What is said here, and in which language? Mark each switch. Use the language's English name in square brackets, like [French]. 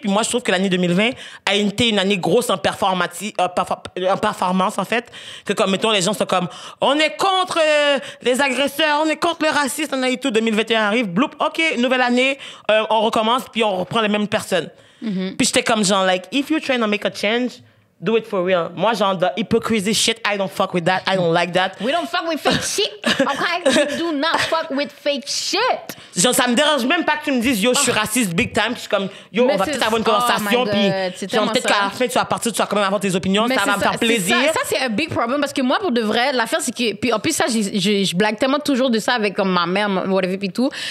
[French] Puis moi je trouve que l'année 2020 a été une année grosse en performance en fait, que comme mettons les gens sont comme on est contre les agresseurs, on est contre le racisme, on a eu tout, 2021 arrive, bloup, OK, nouvelle année, on recommence puis on reprend les mêmes personnes. [English] Mm-hmm. [French] Puis j'étais comme genre [English] like if you try to make a change, do it for real. [French] Moi, genre, [English] the hypocrisy shit, I don't fuck with that. I don't like that. We don't fuck with fake shit, okay? We do not fuck with fake shit. [French] Genre, ça me dérange même pas que tu me dises, yo, je suis raciste big time. Je suis comme, yo, mais on va peut-être avoir une conversation. Puis, genre, peut-être qu'à la fin, tu vas partir, tu vas quand même avoir tes opinions. Mais ça va me faire plaisir. Ça, c'est un big problem. Parce que moi, pour de vrai, l'affaire, c'est que... Puis en plus, ça, je blague tellement toujours de ça avec comme, ma mère, whatever, puis tout.